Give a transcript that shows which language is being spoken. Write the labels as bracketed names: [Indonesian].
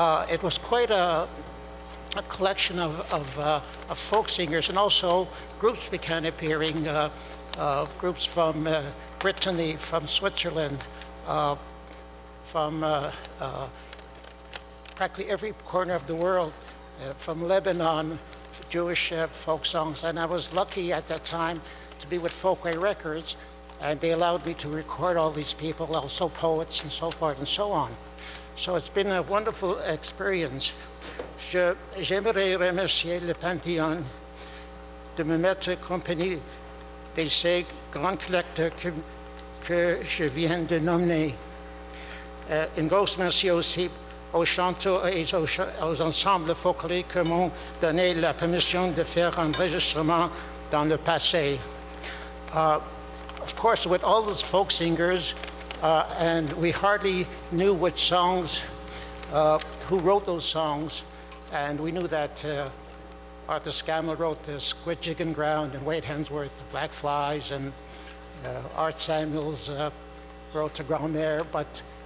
[English] It was quite a collection of folk singers, and also groups began appearing, groups from Brittany, from Switzerland, from practically every corner of the world, from Lebanon, Jewish folk songs. And I was lucky at that time to be with Folkway Records, and they allowed me to record all these people, also poets and so forth and so on. So it's been a wonderful experience. [French] J'aimerais remercier le Panthéon de me mettre en compagnie de ces grands collecteurs que je viens de nommer. Un gros merci aussi aux chanteurs et aux ensembles folkloriques qui m'ont donné la permission de faire un enregistrement dans le passé. [English] Of course, with all those folk singers, and we hardly knew which songs, who wrote those songs, and we knew that Arthur Scammell wrote the Squid Jiggin' Ground, and Wade Hemsworth, the Black Flies, and Art Samuels wrote the Grand Mère, but